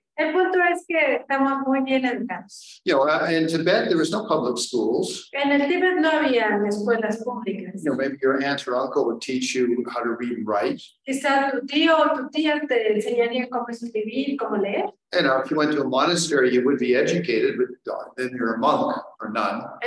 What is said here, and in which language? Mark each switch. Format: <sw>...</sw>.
<es>El punto es que estamos muy bien educados.</es> <en>You know, in Tibet, there was no public schools.</en> <es>En el Tíbet no había escuelas públicas.</es> <en>You know, maybe your aunt or uncle would teach you how to read and write.</en> <es>Quizá tu tío o tu tía te enseñarían cómo escribir, cómo leer.</es> <en>And if you went to a monastery, you would be educated, but then you're a monk or nun.</en>